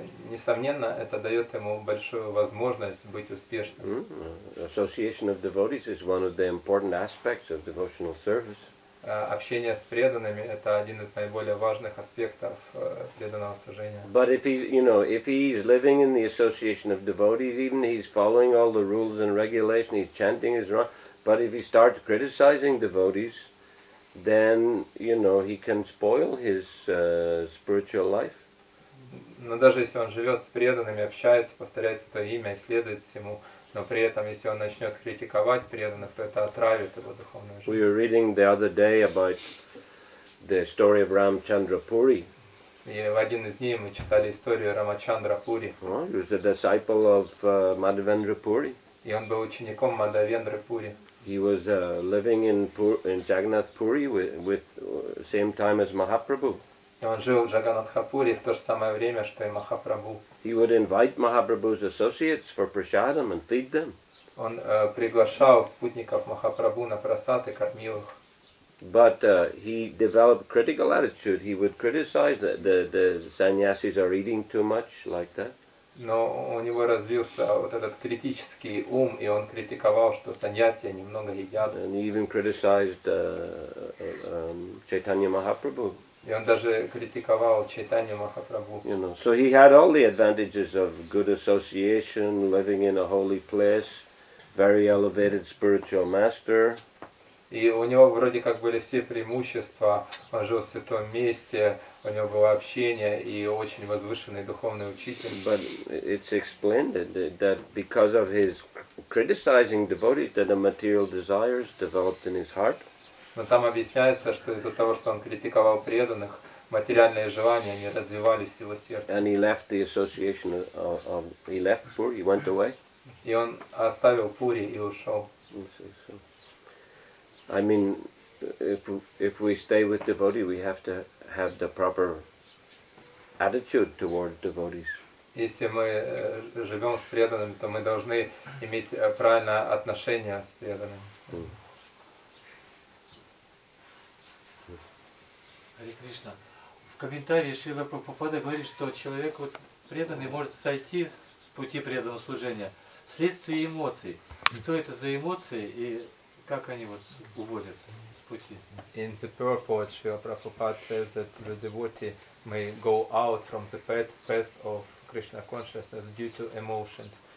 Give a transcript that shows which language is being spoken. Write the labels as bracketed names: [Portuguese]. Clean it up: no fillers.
[Russian] Несомненно, это дает ему большую возможность быть успешным. [English] Association of devotees is one of the important aspects of devotional service. [Russian] Общение с преданными – это один из наиболее важных аспектов преданного служения. [English] But if he's, you know, if he's living in the association of devotees, even he's following all the rules and regulations, he's chanting his wrong, but if he starts criticizing devotees, then, you know, he can spoil his spiritual life. [Russian] Но даже если он живет с преданными, общается, повторяет свое имя, следует всему, но при этом, если он начнет критиковать преданных, то это отравит его духовную жизнь. [English] We were reading the other day about the story of Ramchandra Puri. [Russian] И в один из дней мы читали историю Рамачандра Пури. [English] He was a disciple of Madhavendra Puri. [Russian] И он был учеником Мадхавендры Пури. [English] He was living in Jagannath Puri with same time as Mahaprabhu. [Russian] Он жил в Джаганатхапуре в то же самое время, что и Махапрабху. [English] He would invite Mahaprabhu's associates for prasadam and feed them. [Russian] Он приглашал спутников Махапрабху на прасад и кормил их. [English] But he developed critical attitude. He would criticize that the sannyasis are eating too much like that. [Russian] Но у него развился вот этот критический ум, и он критиковал, что саньяси немного едят. [English] And he even criticized Chaitanya Mahaprabhu. [Russian] И он даже критиковал Чайтанью Махапрабху. [English] You know, so he had all the advantages of good association, living in a holy place, very elevated spiritual master. [Russian] И у него вроде как были все преимущества, он жил в святом месте, у него было общение и очень возвышенный духовный учитель. [English] But it's explained that because of his criticizing devotees that the material desires developed in his heart. [Russian] Но там объясняется, что из-за того, что он критиковал преданных, материальные желания не развивались в его сердце. [English] And he left the association of he left Puri, he went away. [Russian] И он оставил Пури и ушел. [English] I mean, if we stay with devotee, we have to have the proper attitude toward devotees. [Russian] Если мы живем с преданными, то мы должны иметь правильное отношение с преданными. Хари Кришна, в комментарии Шрила Прабхупада говорит, что человек вот преданный может сойти с пути преданного служения вследствие эмоций. Что это за эмоции и как они вот уводят с пути? [English] In the purport, Shrila Prabhupada says that the devotee may go out from the path of Krishna consciousness due to emotions.